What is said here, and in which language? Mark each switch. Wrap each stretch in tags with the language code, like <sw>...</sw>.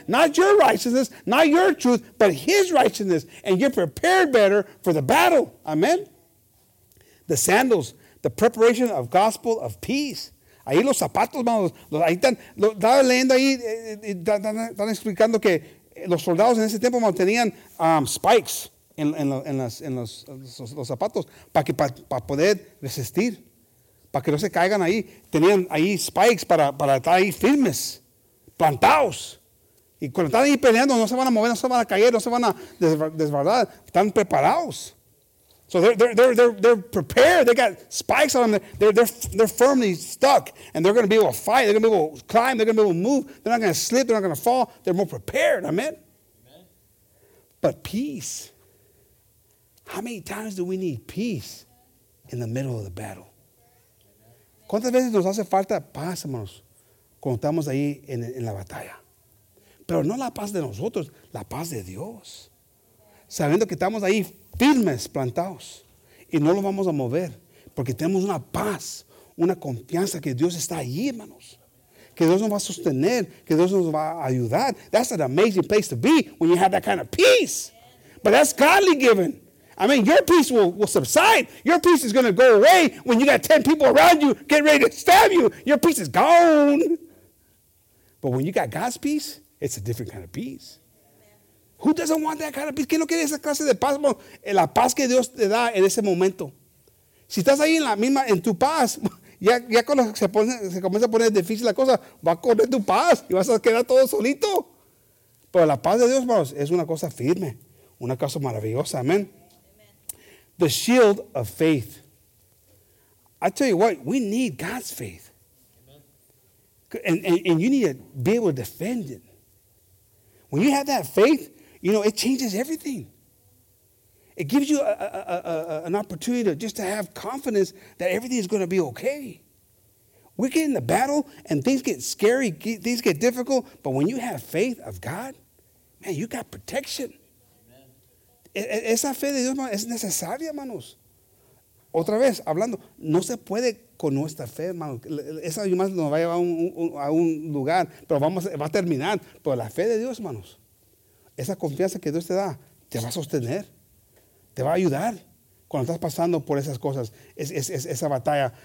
<en>Not your righteousness, not your truth, but His righteousness. And you're prepared better for the battle, amen. The sandals, the preparation of gospel of peace.</en> <es>Ahí los zapatos, manos, ahí están. Estaba leyendo ahí, están explicando que los soldados en ese tiempo mantenían spikes en los zapatos para poder resistir. Para que no se caigan ahí. Tenían ahí spikes para estar ahí firmes. Plantados. Y cuando están ahí peleando, no se van a mover, no se van a caer, no se van a desbaratar. Están preparados.</es> <en>So they're prepared. They got spikes on them. They're firmly stuck. And they're going to be able to fight. They're going to be able to climb. They're going to be able to move. They're not going to slip. They're not going to fall. They're more prepared. Amen? Amen. But peace. How many times do we need peace in the middle of the battle?</en> <es>¿Cuántas veces nos hace falta paz, hermanos, cuando estamos ahí en la batalla? Pero no la paz de nosotros, la paz de Dios. Sabiendo que estamos ahí firmes, plantados, y no lo vamos a mover, porque tenemos una paz, una confianza que Dios está ahí, hermanos. Que Dios nos va a sostener, que Dios nos va a ayudar.</es> <en>That's an amazing place to be when you have that kind of peace. But that's godly given. I mean, your peace will subside. Your peace is going to go away when you got 10 people around you getting ready to stab you. Your peace is gone. But when you got God's peace, it's a different kind of peace. Amen. Who doesn't want that kind of peace?</en> <es>¿Quién no quiere esa clase de paz? La paz que Dios te da en ese momento. Si estás ahí en la misma, en tu paz, ya cuando se comienza a poner difícil la cosa, va a correr tu paz y vas a quedar todo solito. Pero la paz de Dios, hermanos, es una cosa firme. Una cosa maravillosa. Amén.</es> <en>The shield of faith. I tell you what, we need God's faith. Amen. And you need to be able to defend it. When you have that faith, you know, it changes everything. It gives you an opportunity to have confidence that everything is going to be okay. We get in the battle and things get scary, things get difficult. But when you have faith of God, man, you got protection.</en> <es>Esa fe de Dios es necesaria, hermanos. Otra vez, hablando, no se puede con nuestra fe, hermanos. Esa más nos va a llevar a un lugar, pero va a terminar. Pero la fe de Dios, hermanos, esa confianza que Dios te da, te va a sostener, te va a ayudar cuando estás pasando por esas cosas, esa batalla.</es>